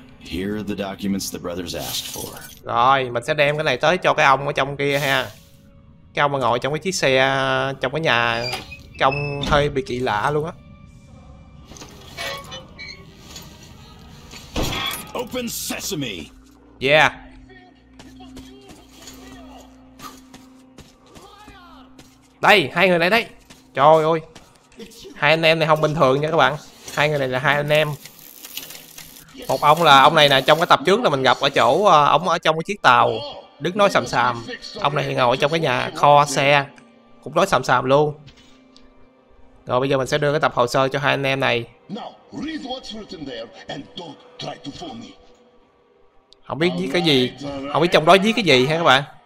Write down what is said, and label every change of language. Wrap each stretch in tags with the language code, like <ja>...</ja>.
<en>Here are the documents the brothers asked for.</en> <vi>Rồi, mình sẽ đem cái này tới cho cái ông ở trong kia ha. Cái ông mà ngồi trong cái chiếc xe, trong cái nhà, trông hơi bị kỳ lạ luôn á.</vi> <en>Open sesame. Yeah.</en> <vi>Đây, hai người này đây. Trời ơi. Hai anh em này không bình thường nha các bạn. Hai người này là hai anh em. Một ông là ông này nè, trong cái tập trước là mình gặp ở chỗ ông ở trong cái chiếc tàu. Đức nói sầm sàm. Ông này ngồi trong cái nhà kho xe. Cũng nói sầm sàm luôn. Rồi bây giờ mình sẽ đưa cái tập hồ sơ cho hai anh em này.</vi> <en>Read what's written there and don't try to fool me.</en> <vi>Không biết viết cái gì, không biết trong đó viết cái gì hả các bạn.</vi>